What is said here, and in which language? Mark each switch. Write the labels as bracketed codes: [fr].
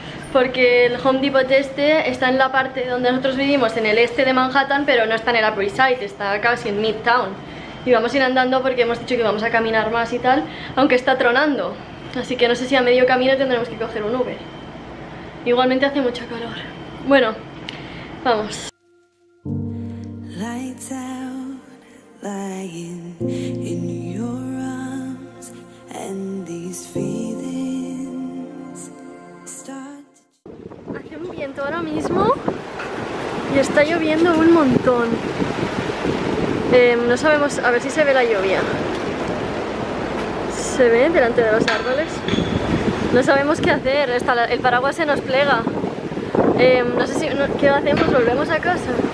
[es] Porque el Home Depot este está en la parte donde nosotros vivimos, en el este de Manhattan, pero no está en el Upper East Side, está casi en Midtown. Y vamos a ir andando porque hemos dicho que vamos a caminar más y tal, aunque está tronando. Así que no sé si a medio camino tendremos que coger un Uber. Igualmente hace mucho calor. Bueno, vamos. [en] Lights out, lying in your arms, and these feelings start... [es] Viento ahora mismo y está lloviendo un montón. No sabemos, a ver si se ve la lluvia. ¿Se ve delante de los árboles? No sabemos qué hacer, el paraguas se nos plega. No sé si, ¿qué hacemos? ¿Volvemos a casa?